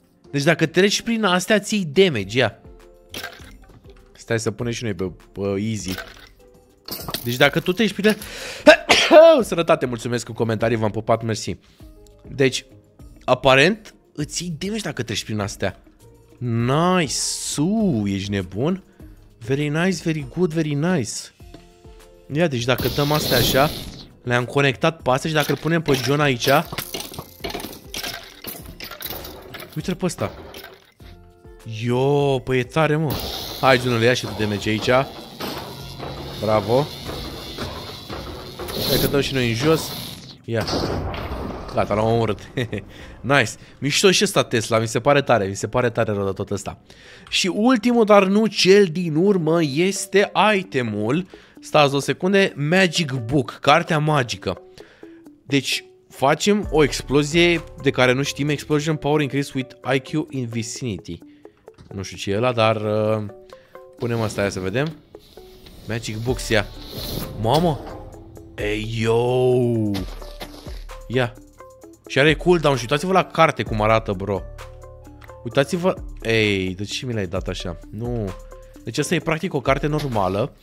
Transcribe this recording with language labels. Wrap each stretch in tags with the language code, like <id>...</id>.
<ro>Deci dacă treci prin astea, ții damage, ia. Stai să punem și noi pe easy. Deci dacă tu treci prin... Sănătate, mulțumesc cu comentarii, v-am pupat, mersi. Deci, aparent, îți iei damage dacă treci prin astea. Nice, ești nebun.</ro> <en>Very nice, very good, very nice.</en> <ro>Ia, deci dacă dăm astea așa, le-am conectat pe astea și dacă îl punem pe John aici... Uite-l pe ăsta. Yo, păi e tare, mă. Hai, John-ul, ia și tu damage aici. Bravo. Hai că dăm și noi în jos. Ia. Gata, l-am omorât. Nice. Mișto și ăsta Tesla, mi se pare tare. Mi se pare tare rău de tot ăsta. Și ultimul, dar nu cel din urmă, este itemul. Stați o secunde, Magic Book, cartea magică. Deci facem o explozie de care nu știm.</ro> <en>Explosion power increase with IQ in vicinity.</en> <ro>Nu știu ce e ăla, dar punem asta, aia să vedem. Magic Book, ia. Mamă. Ei, yo. Ia. Și are cooldown și uitați-vă la carte cum arată, bro. Uitați-vă. Ei, de ce mi l-ai dat așa? Nu. Deci asta e practic o carte normală.</ro>